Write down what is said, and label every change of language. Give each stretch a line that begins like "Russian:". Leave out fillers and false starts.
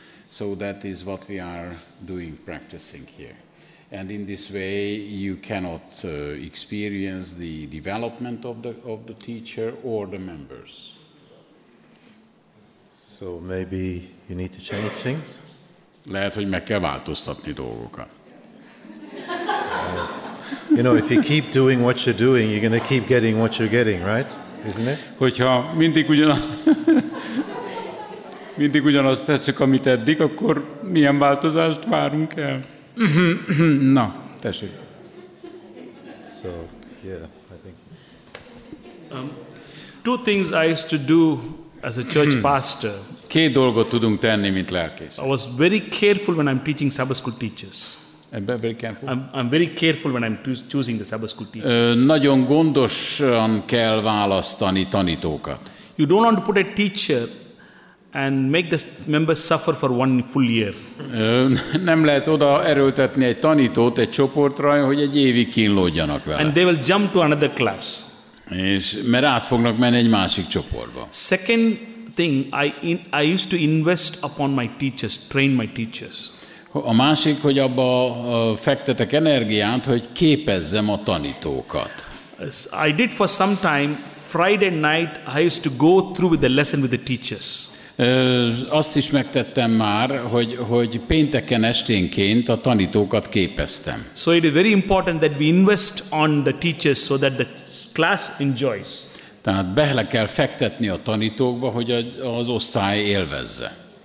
English: So that is what we are doing, practicing here. And in this way you cannot experience the development of the teacher or the members. So maybe you need to change things?
Hungarian: Lehet, hogy meg kell változtatni dolgokat.
English: You know, if you keep doing what you're doing, you're going to keep getting what you're getting, right? Isn't it?
Hungarian: Hogyha mindig ugyanazt tesszük, amit eddig, akkor milyen változást várunk el? Na, tessék.
English: So, yeah, I think. Two things I used to do as a church pastor.
Hungarian: Két dolgot tudunk tenni, mint lelkész.
English: I was very careful when I'm teaching Sabbath school teachers. I'm very careful when I'm choosing the Sabbath school teachers.
Hungarian: Nagyon gondosan kell választani tanítókat.
English: You don't want to put a teacher and make the members suffer for one full year.
Hungarian: Nem lehet oda erőltetni egy tanítót egy csoportra, hogy egy évig kínlódjanak vele.
English: And they will jump to another class.
Hungarian: És mert át fognak menni egy másik csoportba.
English: Second thing, I used to invest upon my teachers, train my teachers.
Hungarian: A másik, hogy abba fektetek energiát, hogy képezzem a tanítókat.
English: I did for some time Friday night I used to go through with the lesson with the teachers.
Hungarian: Azt is megtettem már, hogy pénteken esténként a tanítókat képeztem.
English: So it is very important that we invest on the teachers so that the class enjoys.
Hungarian: Tehát bele kell fektetni a tanítókba, hogy az osztály élvezze.